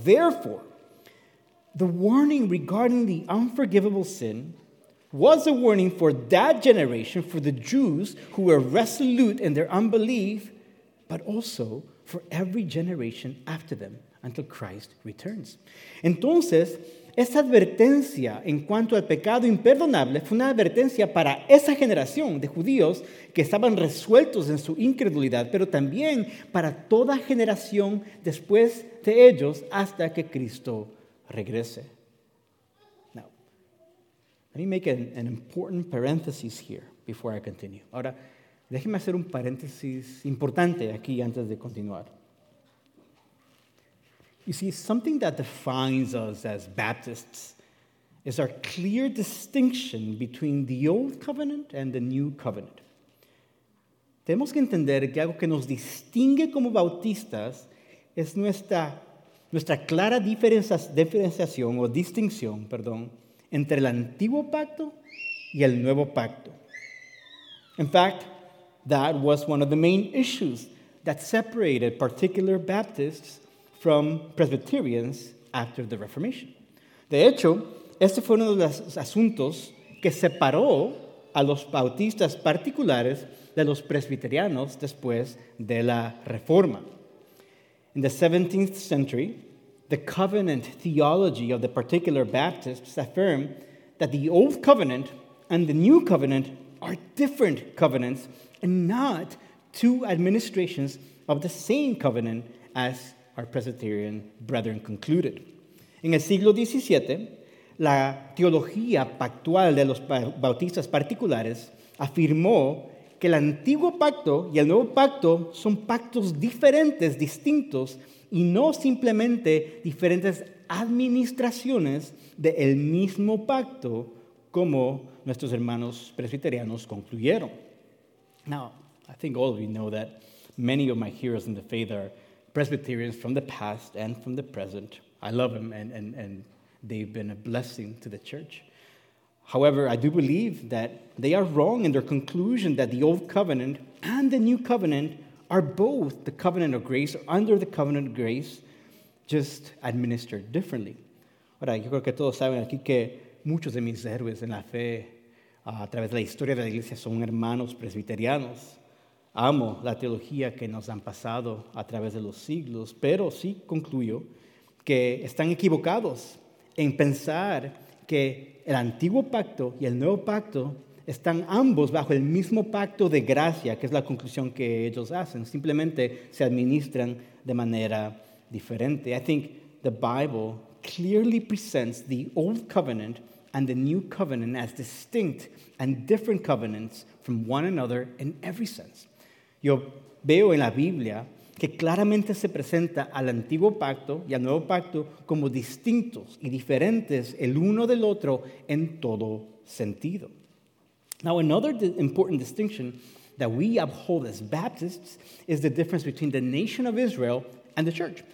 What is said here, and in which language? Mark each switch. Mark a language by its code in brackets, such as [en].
[en] Therefore, the warning regarding the unforgivable sin was a warning for that generation, for the Jews who were resolute in their unbelief, but also for every generation after them until Christ returns. [es] Entonces, esa advertencia en cuanto al pecado imperdonable fue una advertencia para esa generación de judíos que estaban resueltos en su incredulidad, pero también para toda generación después de ellos hasta que Cristo regrese. [en] Let me make an important parenthesis here before I continue. [es] Ahora, déjeme hacer un paréntesis importante aquí antes de continuar. [en] You see, something that defines us as Baptists is our clear distinction between the old covenant and the new covenant. [es] Tenemos que entender que algo que nos distingue como bautistas es nuestra clara distinción, entre el Antiguo Pacto y el Nuevo Pacto. [en] In fact, that was one of the main issues that separated particular Baptists from Presbyterians after the Reformation. [es] De hecho, este fue uno de los asuntos que separó a los bautistas particulares de los presbiterianos después de la Reforma. [en] In the 17th century, the covenant theology of the particular Baptists affirmed that the old covenant and the new covenant are different covenants and not two administrations of the same covenant, as our Presbyterian brethren concluded. [es] En el siglo XVII, la teología pactual de los bautistas particulares afirmó que el antiguo pacto y el nuevo pacto son pactos diferentes, distintos, y no simplemente diferentes administraciones del mismo pacto, como nuestros hermanos presbiterianos concluyeron. [en] Now, I think all of you know that many of my heroes in the faith are Presbyterians from the past and from the present. I love them, and they've been a blessing to the church. However, I do believe that they are wrong in their conclusion that the Old Covenant and the New Covenant are both the covenant of grace, under the covenant of grace, just administered differently. [es] Ahora, yo creo que todos saben aquí que muchos de mis héroes en la fe, a través de la historia de la iglesia, son hermanos presbiterianos. Amo la teología que nos han pasado a través de los siglos, pero sí concluyo que están equivocados en pensar que el antiguo pacto y el nuevo pacto están ambos bajo el mismo pacto de gracia, que es la conclusión que ellos hacen. Simplemente se administran de manera diferente. [en] I think the Bible clearly presents the Old Covenant and the New Covenant as distinct and different covenants from one another in every sense. [es] Yo veo en la Biblia que claramente se presenta al Antiguo Pacto y al Nuevo Pacto como distintos y diferentes el uno del otro en todo sentido. [en] Now, another important distinction that we uphold as Baptists is the difference between the nation of Israel and the church.